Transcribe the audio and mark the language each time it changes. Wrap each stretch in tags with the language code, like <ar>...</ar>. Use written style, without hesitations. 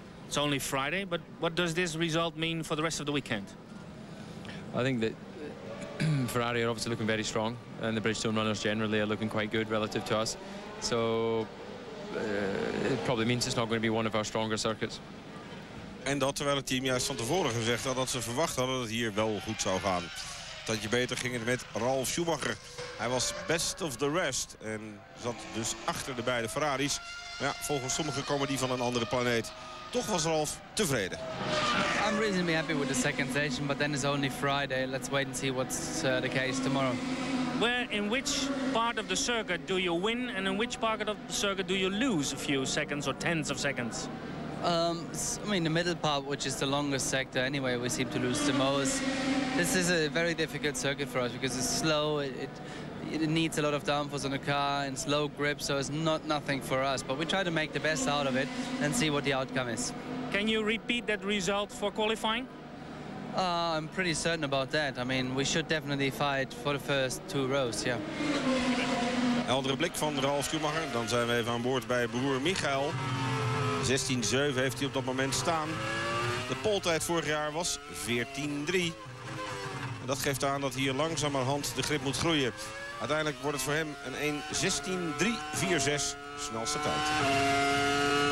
<en>It's only Friday, but what does this result mean for the rest of the weekend? I think that Ferrari are obviously looking very strong, and the Bridgestone runners generally are looking quite good relative to us. So it probably means it's not going to be one of our stronger circuits.</en> <nl>En dat terwijl het team juist van tevoren gezegd had dat ze verwacht hadden dat het hier wel goed zou gaan. Dat je beter ging het met Ralf Schumacher. Hij was</nl> <en>best of the rest</en> <nl>en zat dus achter de beide Ferraris. Maar ja, volgens sommigen komen die van een andere planeet. Toch was Ralf tevreden.</nl> <en>I'm reasonably happy with the second session, but then it's only Friday. Let's wait and see what's the case tomorrow. Where in which part of the circuit do you win and in which part of the circuit do you lose a few seconds or tens of seconds? The middle part, which is the longest sector anyway, we seem to lose the most. This is a very difficult circuit for us because it's slow, it needs a lot of downforce on the car and slow grip, so it's nothing for us. But we try to make the best out of it and see what the outcome is. Can you repeat that result for qualifying? I'm pretty certain about that. I mean, we should definitely fight for the first two rows, yeah.</en> <nl>Heldere blik van Ralf Schumacher. Dan zijn we even aan boord bij broer Michael. 16-7 heeft hij op dat moment staan. De poltijd vorig jaar was 14-3. En dat geeft aan dat hier langzamerhand de grip moet groeien. Uiteindelijk wordt het voor hem een 1-16-3-4-6 snelste tijd.</nl>